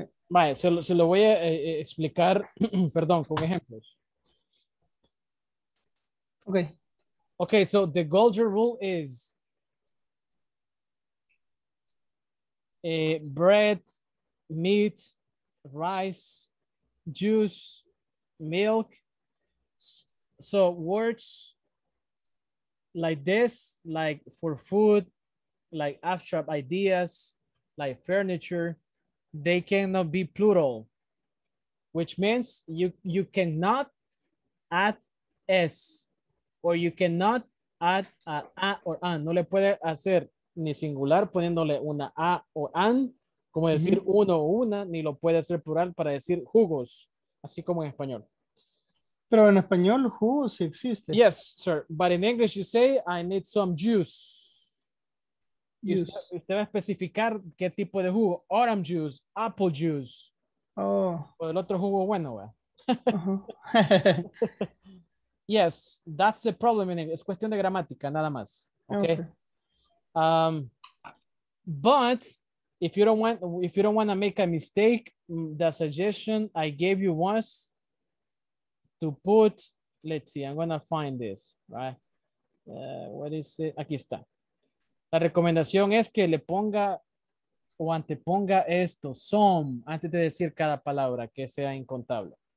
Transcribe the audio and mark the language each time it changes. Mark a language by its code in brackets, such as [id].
[es] Vale, se lo voy a explicar, perdón, con ejemplos. [en] Okay, so the Golder rule is bread, meat, rice, juice, milk. So words like this, like for food, like abstract ideas, like furniture, they cannot be plural, which means you cannot add S. Or you cannot add a or an. [es] No le puede hacer ni singular poniéndole una a o an, como decir uno o una, ni lo puede hacer plural para decir jugos, así como en español. Pero en español jugos sí existe. [en] Yes, sir. But in English you say, I need some juice. [es] Usted va a especificar qué tipo de jugo. [en] Autumn juice, apple juice. Oh. [es] O el otro jugo bueno, güey. [en] Yes, that's the problem in it. It's [es] cuestión de gramática, nada más. [en] Okay. But if you don't want to make a mistake, the suggestion I gave you was to put, let's see, I'm gonna find this, right? What is it? [es] Aquí está. La recomendación es que le ponga o anteponga esto, some, antes de decir cada palabra, que sea incontable.